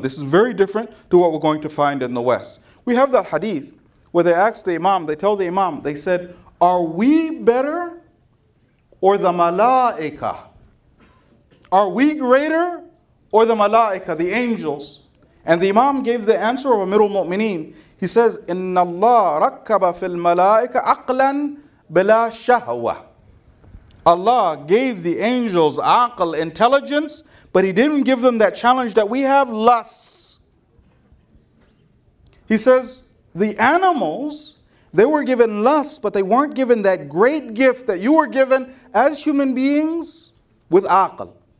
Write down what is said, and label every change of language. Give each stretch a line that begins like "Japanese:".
English: This is very different to what we're going to find in the West. We have that hadith where they ask the imam, they tell the imam, they said, are we better or the malaika? Are we greater or the malaika, the angels? And the imam gave the answer of Amirul Mu'mineen. He says,
Arabic: إِنَّ اللَّهَ رَكَّبَ فِي الْمَلَائِكَ عَقْلًا بِلَا شَهْوَةً.
English: Allah gave the angels aql, intelligence, but he didn't give them that challenge that we have, lusts. He says, the animals, they were given lusts, but they weren't given that great gift that you were given as human beings with aql.